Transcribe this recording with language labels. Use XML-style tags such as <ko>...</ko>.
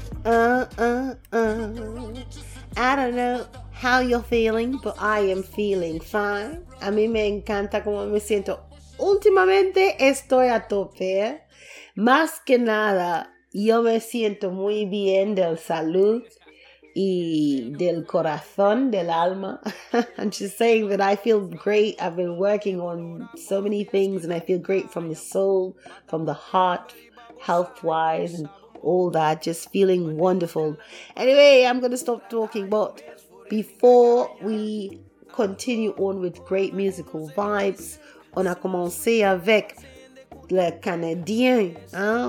<en>I don't know how you're feeling, but I am feeling fine.</en> <es>A mí me encanta cómo me siento. Últimamente estoy a tope. Más que nada, yo me siento muy bien de salud y del corazón, del alma.</es> <en>I'm just saying that I feel great. I've been working on so many things and I feel great from the soul, from the heart, health-wise and all that, just feeling wonderful. Anyway, I'm going to stop talking, but before we continue on with great musical vibes,</en> <fr>on a commencé avec le Canadien, hein?</fr>